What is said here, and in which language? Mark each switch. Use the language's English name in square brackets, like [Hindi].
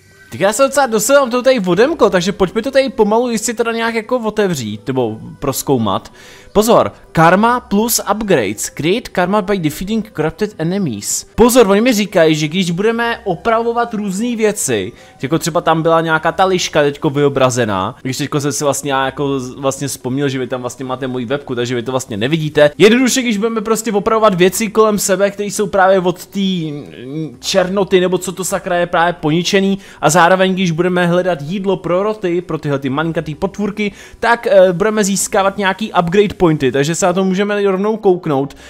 [Czech] Tak já se docela dosilám to tady vodemko, takže pojďme to tady pomalu jistě teda nějak jako otevřít, nebo prozkoumat. Pozor, [English] karma plus upgrades, create karma by defeating corrupted enemies. [Czech] Pozor, oni mi říkají, že když budeme opravovat různé věci, jako třeba tam byla nějaká ta liška teďko vyobrazená, když teďko jsem si vlastně já jako vlastně vzpomněl, že vy tam vlastně máte moji webku, takže vy to vlastně nevidíte. Jednoduše, když budeme prostě opravovat věci kolem sebe, které jsou právě od té černoty, nebo co to sakra je právě poničený, a zároveň, když budeme hledat jídlo pro roty, pro tyhle ty malinkatý potvůrky, tak budeme získávat nějaký upgrade pointy, takže se na to můžeme rovnou kouknout.